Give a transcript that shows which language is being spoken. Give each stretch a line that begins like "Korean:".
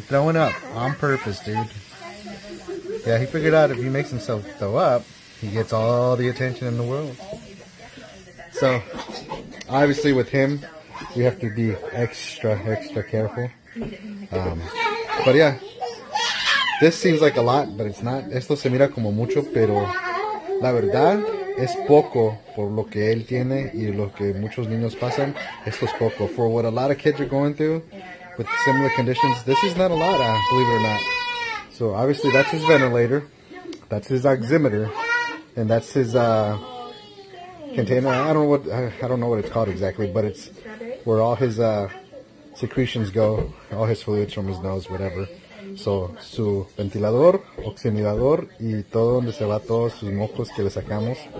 English: Throwing up on purpose, dude. Yeah, he figured out if he makes himself throw up, he gets all the attention in the world. So, obviously with him, we have to be extra careful. But yeah, this seems like a lot, but it's not.
Spanish: Esto se mira como mucho, pero la verdad es poco por lo que él tiene y lo que muchos niños pasan. Esto es poco.
English: For what a lot of kids are going through with similar conditions, this is not a lot, believe it or not. So obviously that's his ventilator, that's his oximeter, and that's his container. I don't know what it's called exactly, but it's where all his secretions go, all his fluids from his nose, whatever.
Spanish: So su ventilador, oximilador, y todo donde se va todos sus mocos que le sacamos.